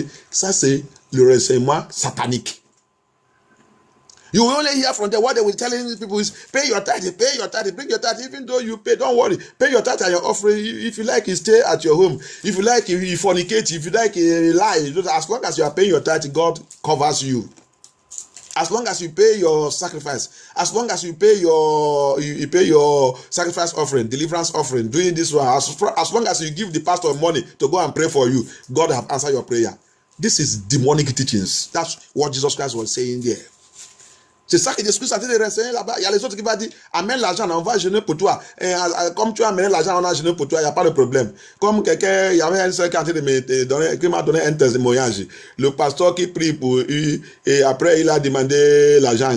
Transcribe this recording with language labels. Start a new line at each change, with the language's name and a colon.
French: Ça c'est le renseignement satanique.
English: You only hear from them what they were telling these people is pay your tithe, bring your tithe, even though you pay, don't worry, pay your tithe and your offering. If you like, you stay at your home. If you like, you fornicate. If you like, you lie. As long as you are paying your tithe, God covers you. As long as you pay your sacrifice, as long as you pay your sacrifice offering, deliverance offering, doing this one, as long as you give the pastor money to go and pray for you, God have answered your prayer. This is demonic teachings. That's what Jesus Christ was saying there.
French: C'est ça que Jésus a dit de renseigner là-bas. Il y a les autres qui vont dire, amène l'argent, on va jeûner pour toi. Et comme tu as amené l'argent, on a jeûné pour toi, il n'y a pas de problème. Comme quelqu'un, il y avait un seul qui m'a donné un témoignage. Le pasteur qui prie pour lui, et après il a demandé l'argent.